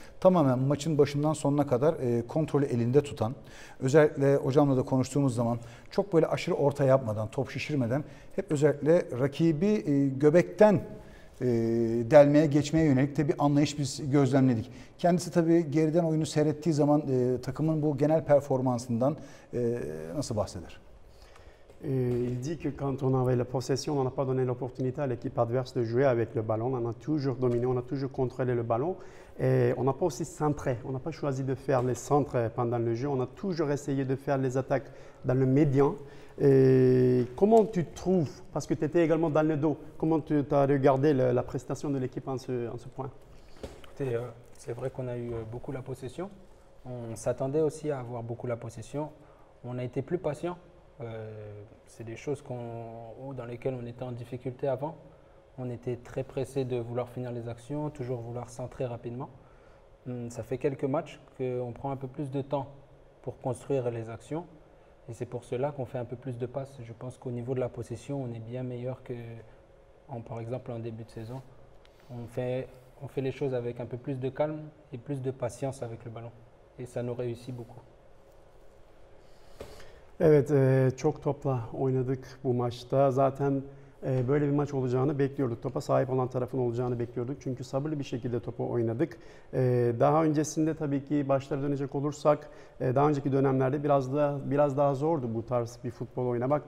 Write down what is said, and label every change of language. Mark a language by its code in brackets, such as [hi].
[tr] Tamamen maçın başından sonuna kadar kontrolü elinde tutan, özellikle hocamla da konuştuğumuz zaman çok böyle aşırı orta yapmadan, top şişirmeden hep özellikle rakibi göbekten delmeye, geçmeye yönelik de bir anlayış biz gözlemledik. Kendisi tabii geriden oyunu seyrettiği zaman takımın bu genel performansından nasıl bahseder? [fr] Il dit que quand on avait la possession, on n'a pas donné l'opportunité à l'équipe adverse de jouer avec le ballon. On a toujours dominé, on a toujours contrôlé le ballon. Et on n'a pas aussi centré, on n'a pas choisi de faire les centres pendant le jeu. On a toujours essayé de faire les attaques dans le médian. Et comment tu trouves, parce que tu étais également dans le dos, comment tu as regardé la prestation de l'équipe en ce point? C'est vrai qu'on a eu beaucoup la possession. On s'attendait aussi à avoir beaucoup la possession. On a été plus patient. C'est des choses dans lesquelles on était en difficulté avant. On était très pressé de vouloir finir les actions, toujours vouloir centrer rapidement. Ça fait quelques matchs qu'on prend un peu plus de temps pour construire les actions. Et c'est pour cela qu'on fait un peu plus de passes. Je pense qu'au niveau de la possession, on est bien meilleur que, par exemple, en début de saison. On fait les choses avec un peu plus de calme et plus de patience avec le ballon. Et ça nous réussit beaucoup. [tr] Evet, çok topla oynadık bu maçta. Zaten böyle bir maç olacağını bekliyorduk. Topa sahip olan tarafın olacağını bekliyorduk. Çünkü sabırlı bir şekilde topu oynadık. Daha öncesinde tabii ki başlara dönecek olursak, daha önceki dönemlerde biraz daha zordu bu tarz bir futbol oynamak.